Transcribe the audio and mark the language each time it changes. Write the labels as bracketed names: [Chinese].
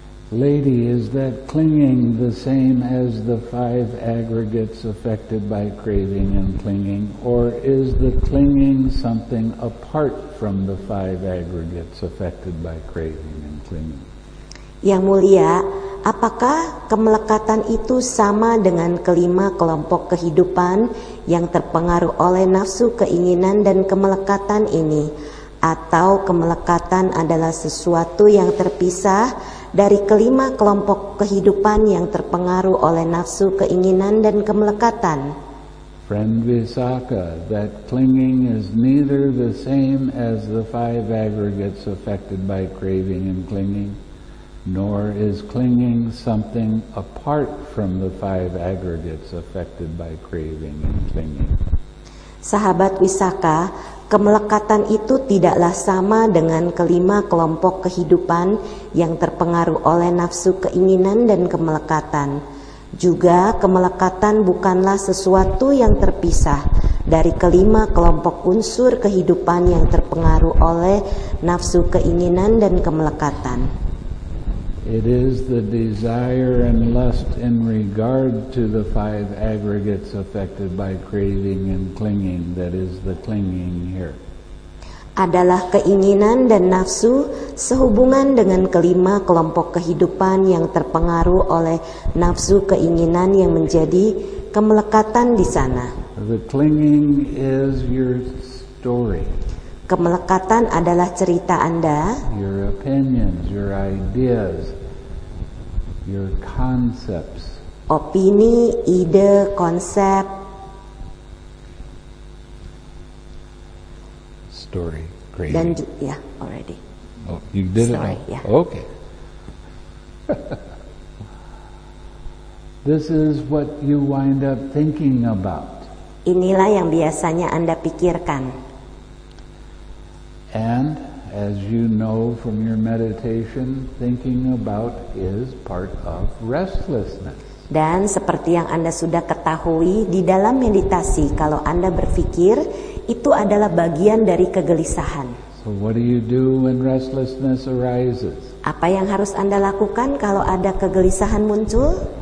[English] Lady, is that clinging the same as the five aggregates affected by craving and clinging, or is the clinging something apart from the five aggregates affected by craving and clinging? [Indonesian] Yang mulia, apakah kemelekatan itu sama dengan kelima kelompok kehidupan yang terpengaruh oleh nafsu keinginan dan kemelekatan ini? Atau kemelekatan adalah sesuatu yang terpisah dari kelima kelompok kehidupan yang terpengaruh oleh nafsu keinginan dan kemelekatan? [English] Friend Visakha, that clinging is neither the same as the five aggregates affected by craving and clinging, nor is clinging something apart from the five aggregates affected by craving and clinging. [Indonesian] Sahabat Visakha, kemelekatan itu tidaklah sama dengan kelima kelompok kehidupan yang terpengaruh oleh nafsu keinginan dan kemelekatan. Juga kemelekatan bukanlah sesuatu yang terpisah dari kelima kelompok unsur kehidupan yang terpengaruh oleh nafsu keinginan dan kemelekatan. [English] It is the desire and lust in regard to the five aggregates affected by craving and clinging that is the clinging here. [Indonesian] Adalah keinginan dan nafsu sehubungan dengan kelima kelompok kehidupan yang terpengaruh oleh nafsu keinginan yang menjadi kemelekatan di sana. [English] The clinging is your story. [Indonesian] Kemelekatan adalah cerita Anda. [English] Your opinions, your ideas, your concepts. [Indonesian] Opini, ide, konsep. [English] Story, great. Dan yeah, already. Oh, you did story, it. Yeah. Okay. This is what you wind up thinking about. [Indonesian] Inilah yang biasanya Anda pikirkan. [English] And as you know from your meditation, thinking about is part of restlessness. [Indonesian] Dan seperti yang Anda sudah ketahui, di dalam meditasi, kalau Anda berpikir, itu adalah bagian dari kegelisahan. [English] So what do you do when restlessness arises? [Indonesian] Apa yang harus Anda lakukan kalau ada kegelisahan muncul?